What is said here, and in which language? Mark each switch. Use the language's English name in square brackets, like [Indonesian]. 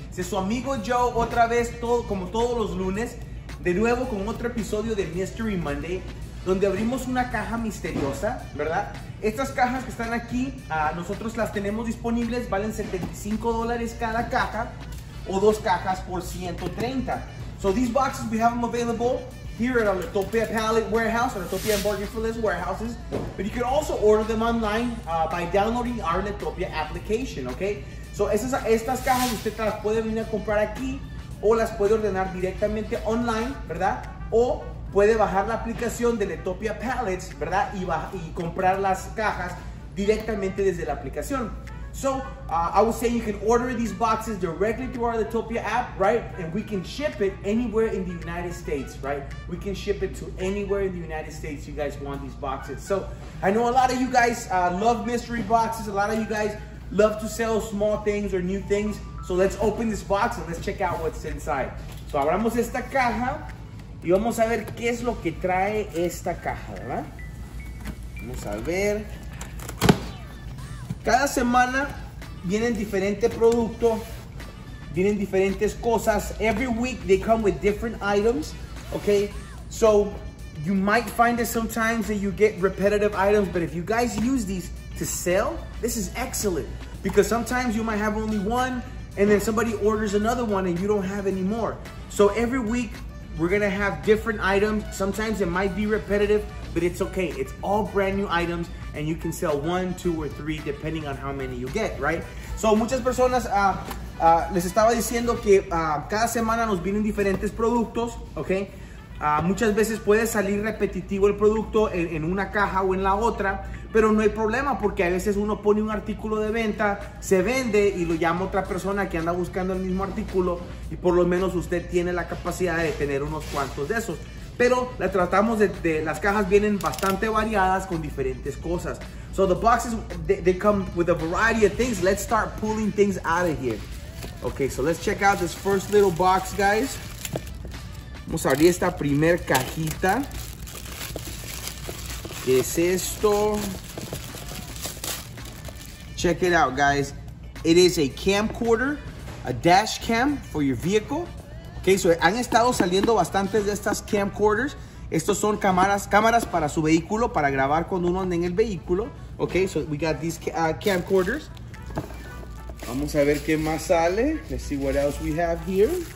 [Spanish] Si su amigo Joe, otra vez, como todos los lunes, de nuevo con otro episodio de Mystery Monday, donde abrimos una caja misteriosa, ¿verdad? Estas cajas que están aquí, nosotros las tenemos disponibles, valen $75 cada caja, o dos cajas por $130. [English] So these boxes, we have them available here at our Lettopia Pallet Warehouse, our Lettopia Embargo-Filled Warehouses. But you can also order them online by downloading our Lettopia application, okay? [Spanish] So estas cajas usted las puede venir a comprar aquí o las puede ordenar directamente online, ¿verdad? O puede bajar la aplicación de Lettopia Pallets, ¿verdad? Y comprar las cajas directamente desde la aplicación. [English] So, I was saying you can order these boxes directly through our Lettopia app, right? And we can ship it anywhere in the United States, right? We can ship it to anywhere in the United States you guys want these boxes. So, I know a lot of you guys love mystery boxes. A lot of you guys love to sell small things or new things. So, let's open this box and let's check out what's inside. [Spanish] So, abramos esta caja y vamos a ver qué es lo que trae esta caja, ¿verdad? Vamos a ver. Cada semana vienen diferente producto, vienen diferentes cosas. [English] Every week they come with different items, okay? So you might find it sometimes that you get repetitive items, but if you guys use these to sell, this is excellent. Because sometimes you might have only one and then somebody orders another one and you don't have any more. So every week we're gonna have different items. Sometimes it might be repetitive, but it's okay. It's all brand new items. And you can sell one, two, or three, depending on how many you get, right? [Spanish] So, muchas personas, les estaba diciendo que cada semana nos vienen diferentes productos, okay? Muchas veces puede salir repetitivo el producto en una caja o en la otra, pero no hay problema porque a veces uno pone un artículo de venta, se vende y lo llama otra persona que anda buscando el mismo artículo y por lo menos usted tiene la capacidad de tener unos cuantos de esos. Pero la tratamos de las cajas vienen bastante variadas con diferentes cosas. [English] So the boxes, they come with a variety of things. Let's start pulling things out of here. Okay, so let's check out this first little box, guys. [Spanish] Vamos a abrir esta primer cajita. ¿Qué es esto? [English] Check it out, guys. It is a camcorder, a dash cam for your vehicle. [Spanish] Okay, so han estado saliendo bastantes de estas camcorders. Estos son cámaras para su vehículo, para grabar cuando uno anda en el vehículo. [English] Okay, so we got these camcorders. [Spanish] Vamos a ver qué más sale. [English] Let's see what else we have here.